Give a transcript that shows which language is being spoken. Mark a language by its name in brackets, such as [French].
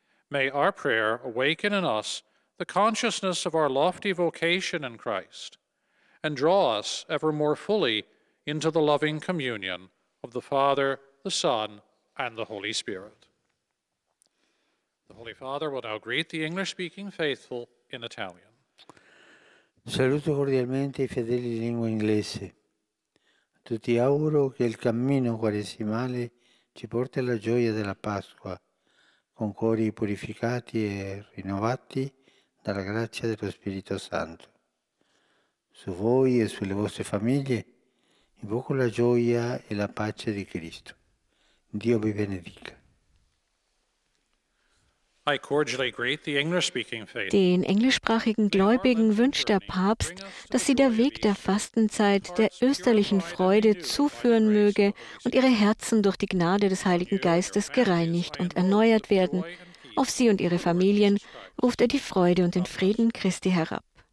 [English] May our prayer awaken in us the consciousness of our lofty vocation in Christ and draw us ever more fully into the loving communion of the Father, the Son, and the Holy Spirit. Holy Father will now greet the English-speaking faithful in Italian. [Italian] Saluto cordialmente i fedeli in lingua inglese. Tutti auguro che il cammino quaresimale ci porti alla gioia della Pasqua, con cuori purificati e rinnovati dalla grazia dello Spirito Santo. Su voi e sulle vostre famiglie Invoco la gioia e la pace di Cristo. Dio vi benedica. [English] I cordially greet the English-speaking faith. [German] Den englischsprachigen Gläubigen wünscht der Papst, dass sie der Weg der Fastenzeit der österlichen Freude zuführen möge und ihre Herzen durch die Gnade des Heiligen Geistes gereinigt und erneuert werden. Auf sie und ihre Familien ruft er die Freude und den Frieden Christi herab.